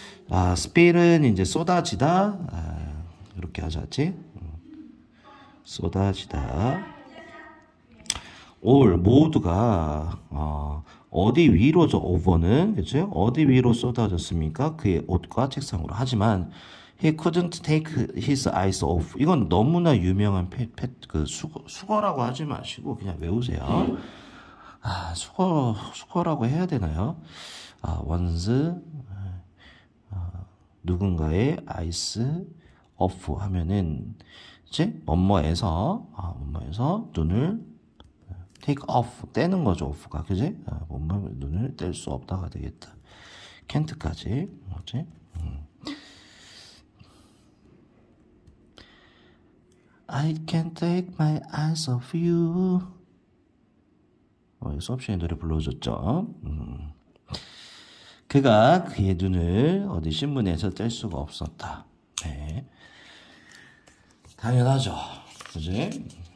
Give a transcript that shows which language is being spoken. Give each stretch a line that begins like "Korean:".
Korean: 아, spill은 이제 쏟아지다. 아, 이렇게 하자지. 쏟아지다. all, 모두가, 어디 위로죠, over는. 그죠? 어디 위로 쏟아졌습니까? 그의 옷과 책상으로. 하지만,
English: he couldn't take his eyes off.
Korean: 이건 너무나 유명한 수거라고 하지 마시고, 그냥 외우세요. 아, 수거라고 해야 되나요? 아, once, 누군가의 eyes off 하면은, 그치? 엄마에서, 엄마에서 눈을
English: take off,
Korean: 떼는 거죠, off가. 그지? 아, 몸을, 눈을 뗄 수 없다가 되겠다. can't까지. 뭐지?
English: I can't take my eyes off you.
Korean: 수업시간에 노래 불러줬죠. 그가 그의 눈을 어디 신문에서 뗄 수가 없었다. 네. 당연하죠. 그지?